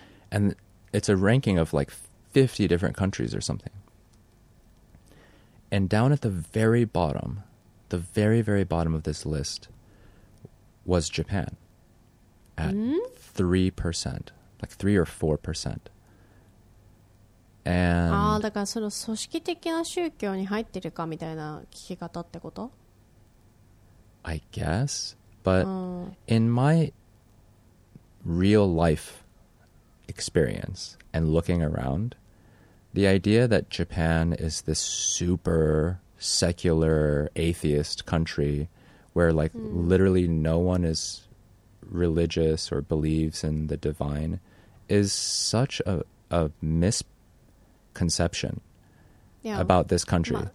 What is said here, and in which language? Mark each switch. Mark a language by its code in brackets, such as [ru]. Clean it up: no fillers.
[en] And it's a ranking of like 50 different countries or something. And down at the very bottom, the very, very bottom of this list was Japan at 3%, like 3 or 4%. And [ja] ああ、だからその組織的な宗教に入ってるかみたいな聞き方ってこと? [en] I guess, but in my real life experience and looking around, the idea that Japan is this super secular atheist country where like literally no one is religious or believes in the divine is such a misconception about this country.